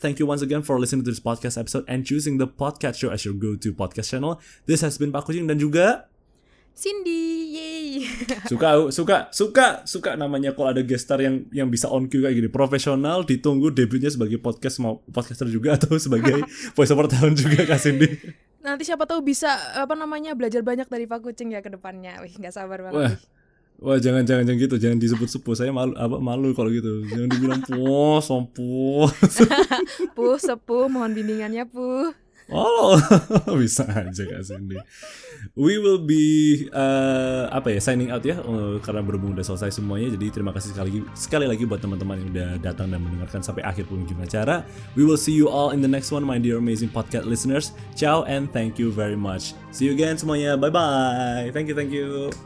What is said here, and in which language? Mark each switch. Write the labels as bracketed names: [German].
[English] Thank you once again for listening to this podcast episode and choosing the podcast show as your go-to podcast channel. This has been Pak Kucing [Indonesian] dan juga Cindy, yay. Suka namanya kalau ada guest star yang bisa on cue kayak gini, profesional, ditunggu debutnya sebagai podcast podcaster juga atau sebagai voiceover talent juga Kak Cindy. Nanti siapa tahu bisa apa namanya belajar banyak dari Pak Kucing ya ke depannya. Wih, enggak sabar banget. Wah, jangan gitu, jangan disebut-sebut. Saya malu kalau gitu. Jangan dibilang puh, sempuh. Puh, sepuh, mohon bimbingannya, puh. Oh, bisa aja Kak Cindy. [English] We will be signing out [Indonesian] ya karena berhubung udah selesai semuanya. Jadi terima kasih sekali lagi buat teman-teman yang udah datang dan mendengarkan sampai akhir pengunjung acara. [English] We will see you all in the next one, my dear amazing podcast listeners. Ciao and thank you very much. See you again semuanya. Bye-bye. Thank you.